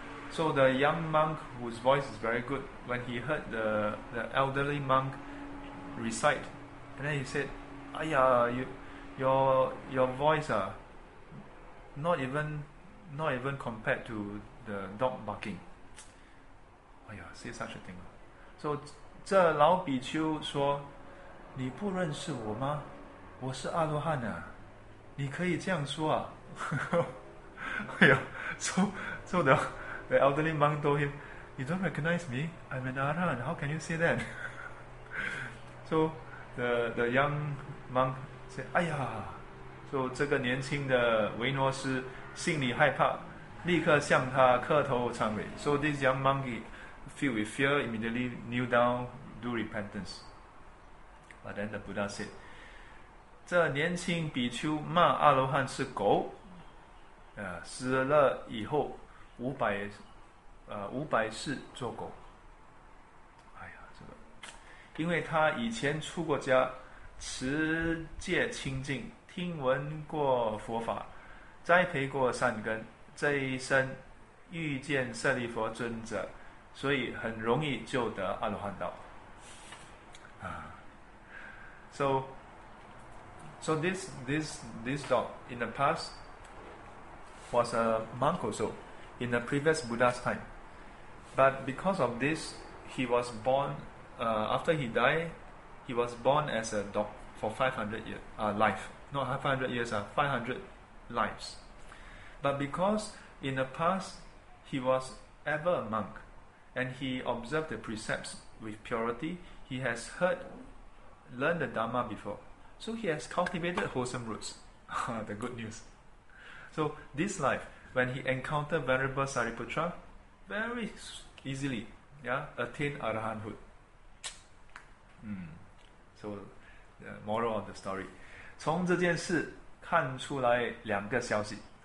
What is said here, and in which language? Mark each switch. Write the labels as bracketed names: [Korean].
[English] So the young monk, whose voice is very good, when he heard the elderly monk recite, and then he said, Aiya, your voice not even compared to the dog barking. Oh yeah, say such a thing. [Chinese] So, 这老比丘说，你不认识我吗？我是阿罗汉啊，你可以这样说啊。 [English] Oh yeah, so the elderly monk told him, you don't recognize me? I'm an Arahant, how can you say that? So, the young monk said, [Chinese] 哎呀, so 这个年轻的维诺斯, 心里害怕，立刻向他磕头忏悔. [English] So this young monk, filled with fear, immediately kneel down, do repentance. But then the Buddha said, [Chinese] 这年轻比丘骂阿罗汉是狗，死了以后五百世做狗。因为他以前出过家，持戒清净，听闻过佛法，栽培过善根，这一生遇见舍利佛尊者，所以很容易就得阿罗汉道。 [English] So this dog in the past was a monk also in the previous Buddha's time, but because of this, he was born. After he died, he was born as a dog for 500 lives. But because in the past he was ever a monk, and he observed the precepts with purity, he has heard, learned the Dharma before, so he has cultivated wholesome roots. The good news. So this life, when he encountered Venerable Sariputra, very easily, attained Arahanthood. So, the moral of the story. [Chinese] 从这件事看出来两个消息。